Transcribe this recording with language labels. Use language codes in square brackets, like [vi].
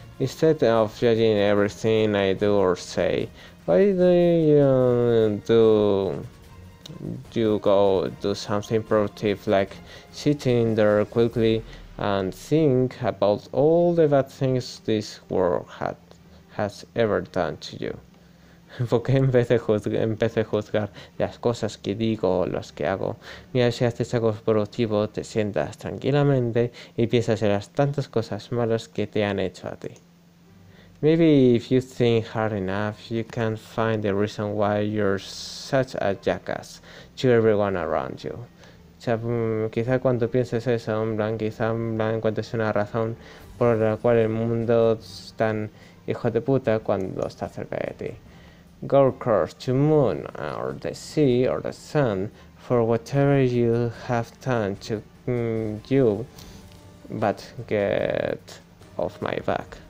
[en] Instead of judging everything I do or say, why do you go do something productive like sitting there quickly and think about all the bad things this world has ever done to you? [es] Porque en vez de juzgar las cosas que digo o las que hago, mira, si haces algo productivo, te sientas tranquilamente y piensas en las tantas cosas malas que te han hecho a ti. [en] Maybe if you think hard enough, you can find the reason why you're such a jackass to everyone around you. [es] O sea, quizá cuando pienses eso, quizá encuentres una razón por la cual el mundo es tan hijo de puta cuando está cerca de ti. [en] Go across to moon or the sea or the sun for whatever you have done to you, but get off my back.